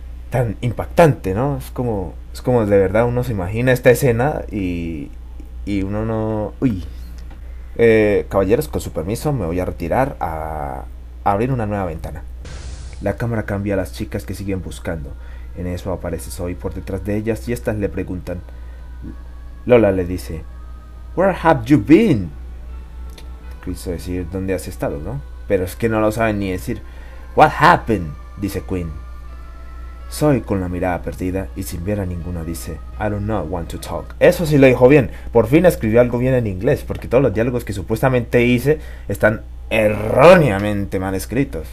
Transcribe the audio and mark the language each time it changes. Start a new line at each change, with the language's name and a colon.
Spanish: tan impactante, ¿no? Es como de verdad uno se imagina esta escena y... y uno no... ¡Uy! Caballeros, con su permiso me voy a retirar a... abrir una nueva ventana. La cámara cambia a las chicas que siguen buscando. En eso aparece Zoe por detrás de ellas y estas le preguntan... Lola le dice,
English: "Where have you been?"
Spanish: Quiso decir, ¿dónde has estado, no? Pero es que no lo saben ni decir.
English: "What happened?"
Spanish: dice Quinn. Zoe, con la mirada perdida y sin ver a ninguno, dice,
English: "I do not want to talk."
Spanish: Eso sí lo dijo bien. Por fin escribió algo bien en inglés, porque todos los diálogos que supuestamente hice están erróneamente mal escritos.